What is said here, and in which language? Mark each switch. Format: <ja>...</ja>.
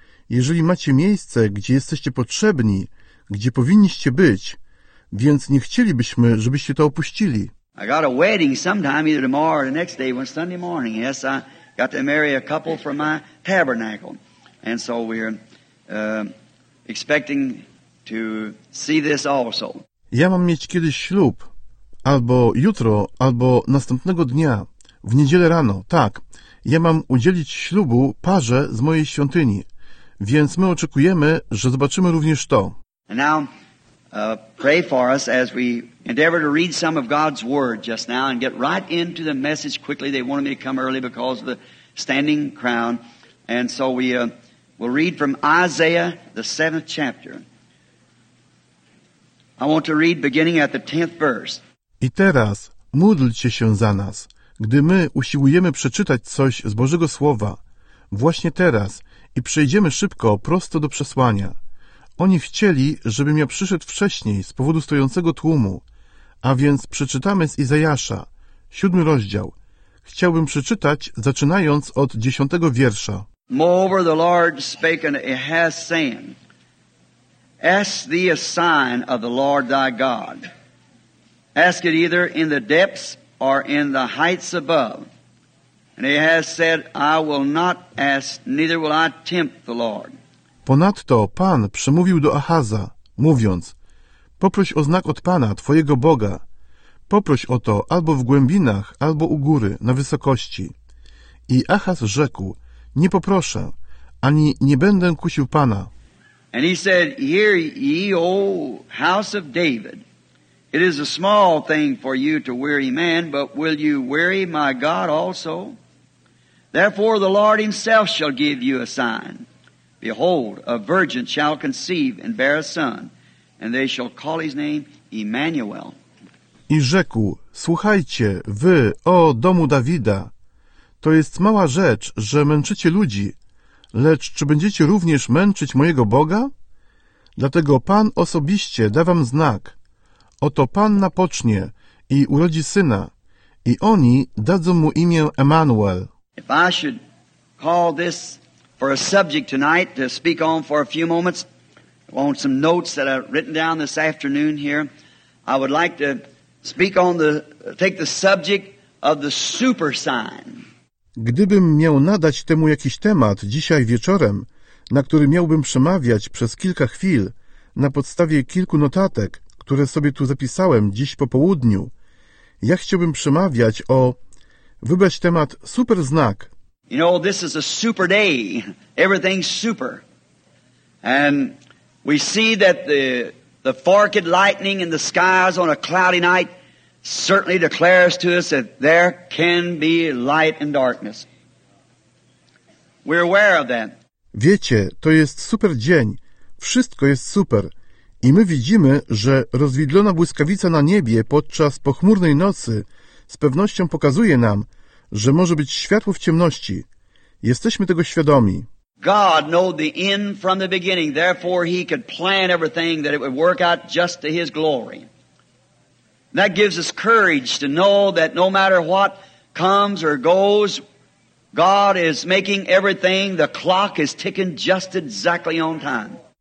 <pl>Jeżeli macie miejsce, gdzie jesteście potrzebni, gdzie powinniście być, więc nie chcielibyśmy, żebyście to opuścili.</pl> <en>I got a wedding sometime, either tomorrow or the next day, when Sunday morning. Yes, I got to marry a couple from my tabernacle. And so we're expecting to see this also.</en> <pl>Ja mam mieć kiedyś ślub, albo jutro, albo następnego dnia, w niedzielę rano, tak. ja mam udzielić ślubu parze z mojej świątyni, więc my oczekujemy, że zobaczymy również to.</pl> <en>Pray for us as we endeavor to read some of God's word just now and get right into the message quickly. They wanted me to come early because of the standing crown. And so we'll read from Isaiah, the 7th chapter. I want to read beginning at the 10th verse.</en> <pl>I teraz módlcie się za nas, gdy my usiłujemy przeczytać coś z Bożego Słowa. Właśnie teraz i przejdziemy szybko prosto do przesłania. Oni chcieli, żebym ja przyszedł wcześniej z powodu stojącego tłumu, a więc przeczytamy z Izajasza, 7 rozdział. Chciałbym przeczytać, zaczynając od 10 wiersza.</pl> <en>Moreover, the Lord spake unto Ahaz, saying, Ask thee a sign of the Lord thy God. Ask it either in the depths or in the heights above. And Ahaz said, I will not ask, neither will I tempt the Lord.</en> <pl>Ponadto Pan przemówił do Ahaza, mówiąc, poproś o znak od Pana, Twojego Boga. Poproś o to albo w głębinach, albo u góry, na wysokości. I Ahaz rzekł, nie poproszę, ani nie będę kusił Pana.</pl> <en>And he said, Hear ye, O house of David, it is a small thing for you to weary man, but will you weary my God also? Therefore the Lord himself shall give you a sign. Behold, a virgin shall conceive and bear a son, and they shall call his name Emmanuel.</en> <pl>I rzekł, słuchajcie, wy, o domu Dawida, to jest mała rzecz, że męczycie ludzi, lecz czy będziecie również męczyć mojego Boga? Dlatego Pan osobiście da wam znak. Oto Pan napocznie i urodzi syna, i oni dadzą mu imię Emmanuel.</pl> <en>If I should call this for a subject tonight to speak on for a few moments, on some notes that I've written down this afternoon here, I would like to speak on take the subject of the super sign.</en> <pl>Gdybym miał nadać temu jakiś temat dzisiaj wieczorem, na który miałbym przemawiać przez kilka chwil na podstawie kilku notatek, które sobie tu zapisałem dziś po południu, ja chciałbym przemawiać o, wybrać temat super znak.</pl> <en>You know, this is a super day. Everything's super. And we see that the forked lightning in the skies on a cloudy night certainly declares to us that there can be light and darkness. We're aware of that.</en> <pl>Wiecie, to jest super dzień. Wszystko jest super. I my widzimy, że rozwidlona błyskawica na niebie podczas pochmurnej nocy z pewnością pokazuje nam, że może być światło w ciemności. Jesteśmy tego świadomi.</pl> <en>God knows the end from the beginning, therefore he could plan everything that it would work out just to his glory. And that gives us courage to know that no matter what comes or goes, God is making everything, the clock is ticking just exactly on time.</en>